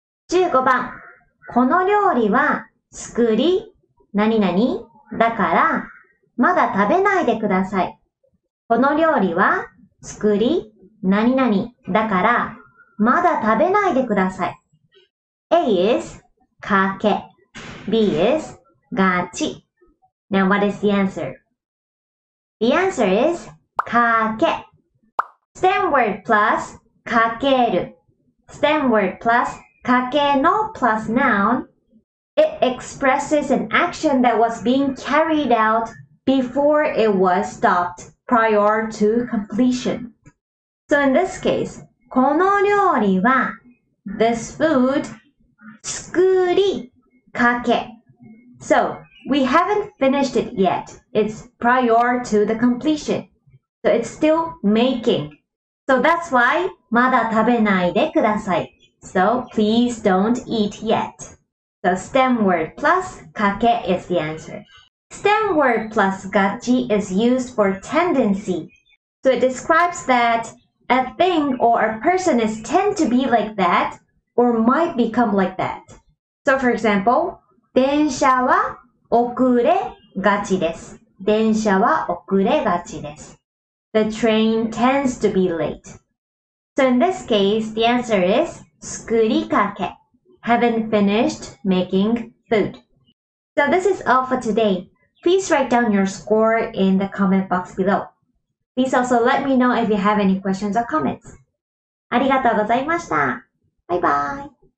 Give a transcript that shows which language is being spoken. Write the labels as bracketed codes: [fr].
[ja] 15番この料理は作り何々だからまだ食べないでください。この料理は作り何々だからまだ食べないでください。 [en] A is かけ B is ガチ Now what is the answer? The answer is かけ Stem word plus かける Stem word plusかけの plus noun, it expresses an action that was being carried out before it was stopped prior to completion. So in this case, [ja] この料理は [en] this food [ja] 作りかけ [en] So we haven't finished it yet. It's prior to the completion. So it's still making. So that's why [ja] まだ食べないでください。 [en] So, please don't eat yet. So, stem word plus かけ is the answer. Stem word plus ガチ is used for tendency. So, it describes that a thing or a person is tend to be like that or might become like that. So, for example, [ja] 電車は遅れがちです。電車は遅れがちです。 [en] The train tends to be late. So, in this case, the answer is [ja] 作りかけ [en] Haven't finished making food. So this is all for today. Please write down your score in the comment box below. Please also let me know if you have any questions or comments. [ja] ありがとうございました。バイバイ。